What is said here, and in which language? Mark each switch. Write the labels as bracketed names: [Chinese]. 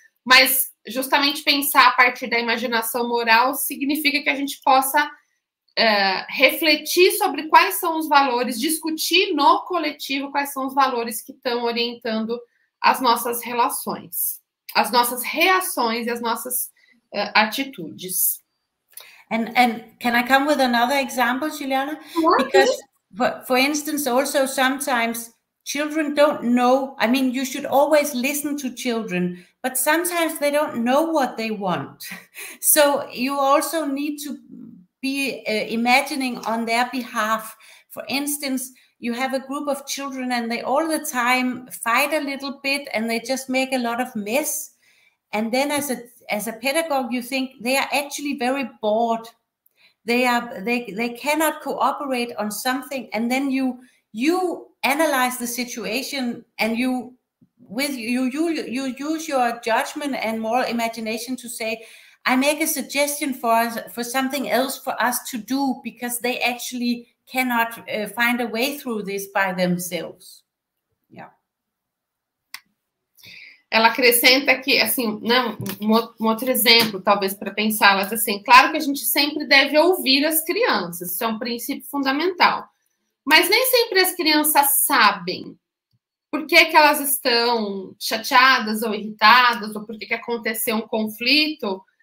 [Portuguese] Mas justamente pensar a partir da imaginação moral significa que a gente possa refletir sobre quais são os valores, discutir no coletivo quais são os valores que estão orientando as nossas relações, as nossas reações e as nossas attitudes. [English] And can I come with another example, Juliana? What? Because for instance, also sometimes children don't know, I mean, you should always listen to children, but sometimes they don't know what they want. So you also need to be imagining on their behalf. For instance, you have a group of children and they all the time fight a little bit and they just make a lot of mess. And then as a pedagogue, you think they are actually very bored. They cannot cooperate on something. And then you analyze the situation and you use your judgment and moral imagination to say, I make a suggestion for us, for something else for us to do, because they actually cannot find a way through this by themselves. [Portuguese] ela acrescenta que, assim, não, um outro exemplo, talvez, para pensar, mas, assim, claro que a gente sempre deve ouvir as crianças, isso é um princípio fundamental. Mas nem sempre as crianças sabem por que que elas estão chateadas ou irritadas, ou por que que aconteceu um conflito.